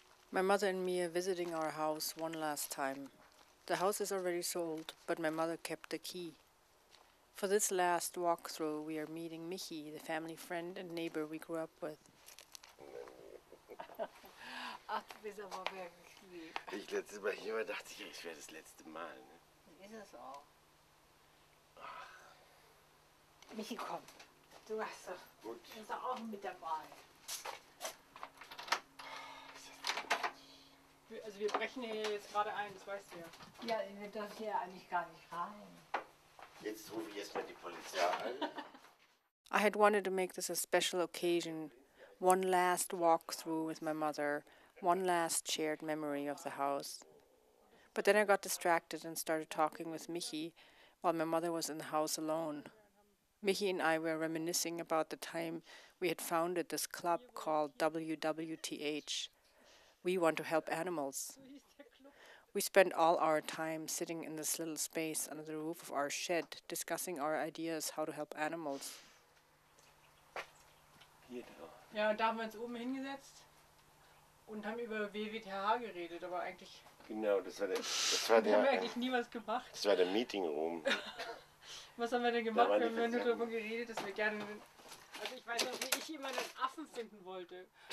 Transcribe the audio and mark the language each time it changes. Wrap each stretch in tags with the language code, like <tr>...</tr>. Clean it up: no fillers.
<en>My mother and me are visiting our house one last time. The house is already sold, but my mother kept the key. For this last walkthrough, we are meeting Michi, the family friend and neighbor we grew up with.</en> <de>Ich letztes Mal hier dachte ich, ich wäre das letzte Mal. Ist es auch. Michi, komm. Du hast doch, gut. Du bist doch auch mit dabei. Also wir brechen hier jetzt gerade ein, das weißt du ja. Ja, ihr wird das hier eigentlich gar nicht rein. Jetzt rufe ich erstmal die Polizei an.</de> <en>I had wanted to make this a special occasion. One last walkthrough with my mother. One last shared memory of the house. But then I got distracted and started talking with Michi while my mother was in the house alone. Michi and I were reminiscing about the time we had founded this club called WWTH. We want to help animals. We spent all our time sitting in this little space under the roof of our shed discussing our ideas how to help animals.</en> <de>Ja, und da haben wir uns oben hingesetzt und haben über WWTH geredet, aber eigentlich... Genau, das war der... Haben wir eigentlich nie was gemacht. Das war der Meeting Room. Was haben wir denn gemacht? Wir haben nur darüber geredet, dass wir gerne... Also ich weiß noch, wie ich immer den Affen finden wollte.</de>